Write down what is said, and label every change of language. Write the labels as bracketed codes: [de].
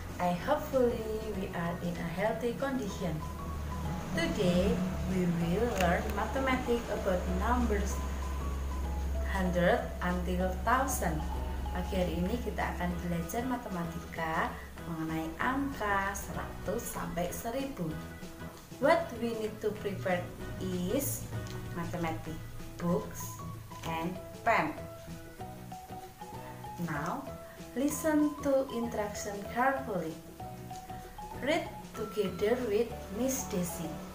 [en] I hopefully we are in a healthy condition. Today, we will learn mathematics about numbers 100 until 1000. [id] Pagi hari ini kita akan belajar matematika mengenai angka 100 sampai 1000. [en] What we need to prepare is mathematics books and pen. Now, listen to instruction carefully. Read together with Miss Daisy.